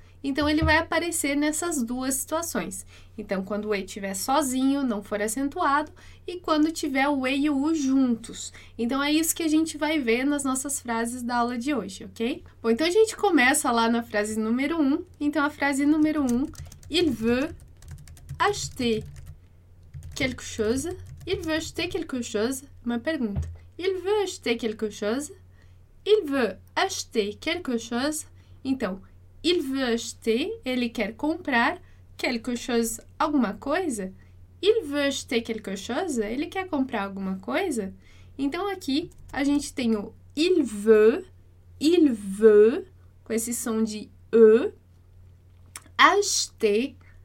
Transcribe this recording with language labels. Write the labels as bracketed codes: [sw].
[pt] Então ele vai aparecer nessas duas situações. Então quando o e estiver sozinho, não for acentuado, e quando tiver o e e o u juntos. Então é isso que a gente vai ver nas nossas frases da aula de hoje, ok? Bom, então a gente começa lá na frase número 1. Então a frase número 1, [fr] il veut acheter quelque chose, [pt] il veut acheter quelque chose, uma pergunta. [fr] Il veut acheter quelque chose, il veut acheter quelque chose. [pt] Então, [fr] il veut acheter, [pt] ele quer comprar [fr] quelque chose, [pt] alguma coisa. [fr] Il veut acheter quelque chose, [pt] ele quer comprar alguma coisa. Então, aqui a gente tem o [fr] il veut, [pt] com esse som de e, acheter.